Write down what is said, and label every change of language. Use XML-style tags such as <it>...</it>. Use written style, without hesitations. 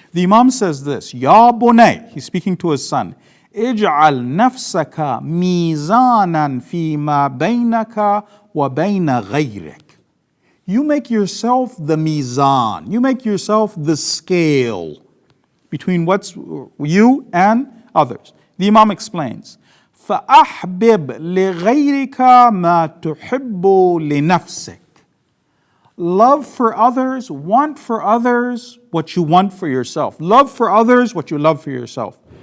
<en>The Imam says this,</en> <ar>Ya Bunay,</ar> <en>he's speaking to his son,</en> <ar>Ij'al nafsaka mizanan fima baynaka wa bayna ghayrik.</ar> <en>You make yourself the mizan. You make yourself the scale between what's you and others. The Imam explains,</en> <ar>فَأَحْبِبْ لِغَيْرِكَ مَا تُحِبُّ لِنَفْسِكَ.</ar> <en>Love for others, want for others what you want for yourself. Love for others what you love for yourself.</en>